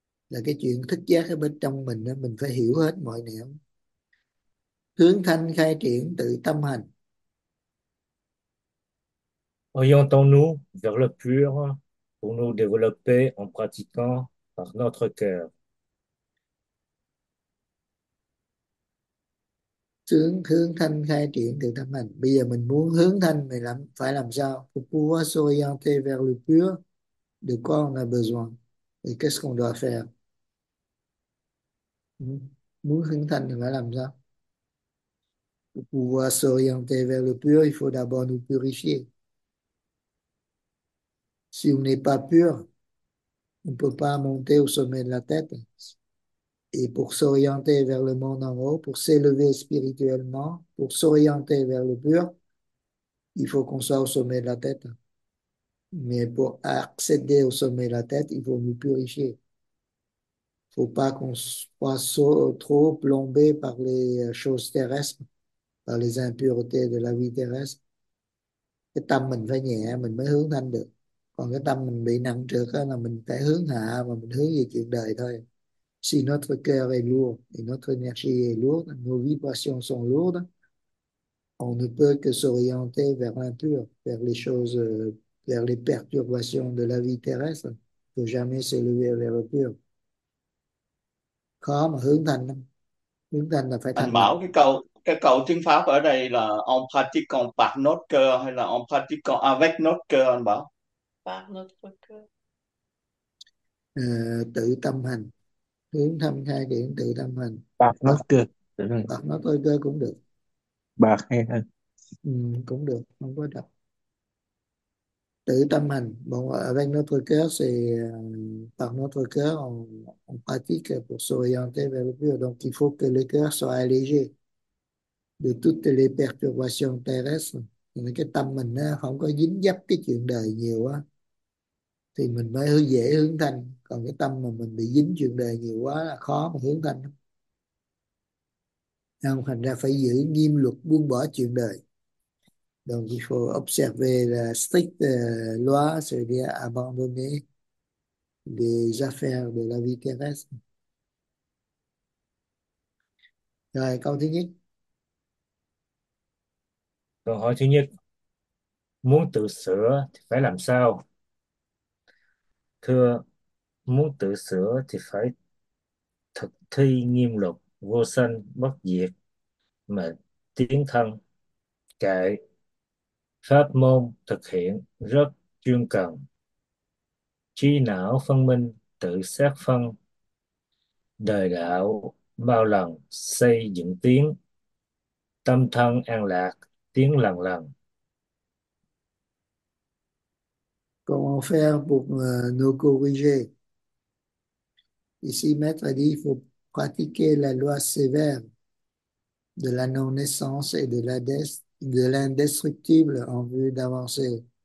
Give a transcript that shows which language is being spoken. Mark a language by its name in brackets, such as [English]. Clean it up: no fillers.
[Vietnamese] Là cái chuyện thức giác ở bên trong mình, đó, mình phải hiểu hết mọi nẻo. Hướng thanh khai triển tự tâm hành. [French] Orientons-nous vers le pur pour nous développer en pratiquant par notre cœur. [Vietnamese] Hướng thanh khai triển tự tâm hành. Bây giờ mình muốn hướng thanh mình phải làm sao? [French] Pour pouvoir s'orienter vers le pur, de quoi on a besoin? Et qu'est-ce qu'on doit faire? [Vietnamese] Muốn hướng thanh thì phải làm sao? [French] Pour pouvoir s'orienter vers le pur, il faut d'abord nous purifier. Si on n'est pas pur, on ne peut pas monter au sommet de la tête. Et pour s'orienter vers le monde en haut, pour s'élever spirituellement, pour s'orienter vers le pur, il faut qu'on soit au sommet de la tête. Mais pour accéder au sommet de la tête, il faut nous purifier. Il ne faut pas qu'on soit trop plombé par les choses terrestres, par les impuretés de la vie terrestre. [Vietnamese] Cái tâm mình phải nhẹ, mình mới hướng thanh được. Còn cái tâm mình bị nặng trược đó là mình phải hướng hạ, mà mình hướng về chuyện đời thôi. [French] Si notre cœur est lourd, et notre énergie est lourde, nos vibrations sont lourdes, on ne peut que s'orienter vers l'impur, vers les choses, vers les perturbations de la vie terrestre. Il ne faut jamais s'élever vers le pur. [Vietnamese] Khó mà hướng thanh lắm. Hướng thanh là phải Anh thanh tịnh. bảo cái câu tiếng Pháp ở đây là [French] on pratique par notre cœur [Vietnamese] hay là [French] on pratique avec notre cœur, [Vietnamese] anh bảo [French] Par notre cœur. [Vietnamese] Tự tâm hành, hướng thâm khai triển tự tâm hành, [French] Par notre cœur, [Vietnamese] được rồi. hoặc nó tôi cơ cũng được. Bạc hay hơn. Cũng được, không có đọc tự tâm hành [French] bon, avec notre cœur, c'est par notre cœur on pratique pour s'orienter vers le pur. Donc il faut que le cœur soit allégé de toutes les perturbations terrestres. [Vietnamese] Cái tâm mình không có dính dấp cái chuyện đời nhiều á thì mình mới dễ hướng thanh. Còn cái tâm mà mình bị dính chuyện đời nhiều quá là khó mà hướng thanh. Không, thành ra phải giữ nghiêm luật buông bỏ chuyện đời. [French] Donc il faut observer la stricte loi, c'est-à-dire abandonner des affaires de la vie terrestre. Ouais, continue. [Vietnamese] Câu hỏi thứ nhất, muốn tự sửa thì phải làm sao? Thưa, muốn tự sửa thì phải thực thi nghiêm luật vô sanh bất diệt mà tiến thân kệ pháp môn thực hiện rất chuyên cần trí não phân minh tự xét phân đời đạo bao lần xây dựng tiến tâm thân an lạc tiến lần lần. [French] Comment faire pour nous corriger? Ici, Maître a dit qu'il faut pratiquer la loi sévère de la non-naissance et de l'indestructible en vue d'avancer.